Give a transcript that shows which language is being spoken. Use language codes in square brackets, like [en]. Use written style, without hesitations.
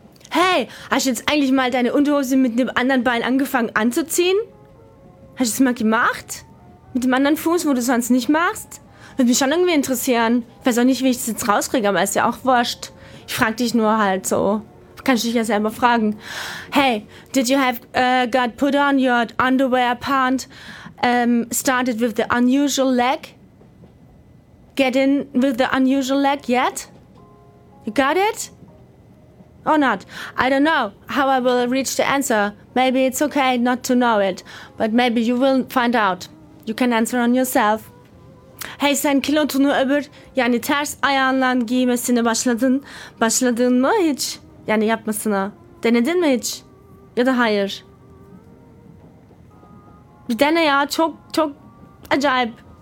[de] Hey, hast du jetzt eigentlich mal deine Unterhose mit dem anderen Bein angefangen anzuziehen? Hast du es mal gemacht? Mit dem anderen Fuß, wo du es sonst nicht machst? Würde mich schon irgendwie interessieren. Ich weiß auch nicht, wie ich das jetzt rauskriege, aber ist ja auch wurscht. Ich frag dich nur halt so. Kannst du dich ja selber fragen. [en] Hey, did you have got put on your underwear pant started with the unusual leg? Get in with the unusual leg yet? You got it? Or not? I don't know how I will reach the answer. Maybe it's okay not to know it, but maybe you will find out. You can answer on yourself. [tr] Hey, sen kilotunu öbür, yani ters ayağınla giymesini başladın. Başladın mı hiç? Yani yapmasına. Denedin mi hiç? Ya da hayır? Bir dene ya, çok çok acayip.